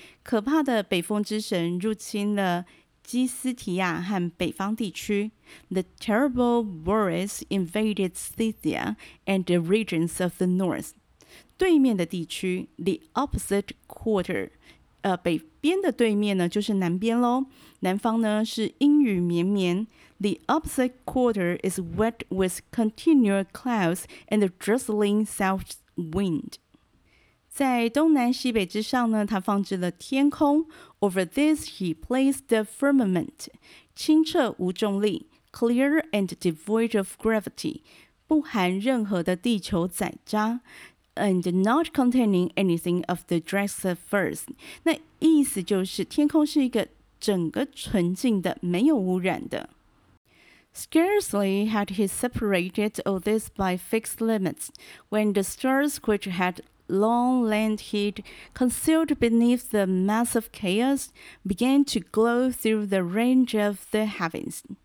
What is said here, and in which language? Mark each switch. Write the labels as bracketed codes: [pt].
[zh] 可怕的北风之神入侵了基斯提亚和北方地区。 [en] The terrible Boreas invaded Scythia and the regions of the north. [zh] 对面的地区 [en] the opposite quarter. [zh] 北边的对面呢就是南边咯南方呢是阴雨绵绵 [en] The opposite quarter is wet with continual clouds and a drizzling south wind [zh] 在东南西北之上呢他放置了天空 [en] Over this he placed the firmament [zh] 清澈无重力 [en] Clear and devoid of gravity [zh] 不含任何的地球载渣 [en] And not containing anything of the dregs of earth. [zh] 那意思就是天空是一个整个纯净的，没有污染的。 [en] Scarcely had he separated all this by fixed limits, when the stars which had long lain hid, concealed beneath the mass of chaos, began to glow through the range of the heavens.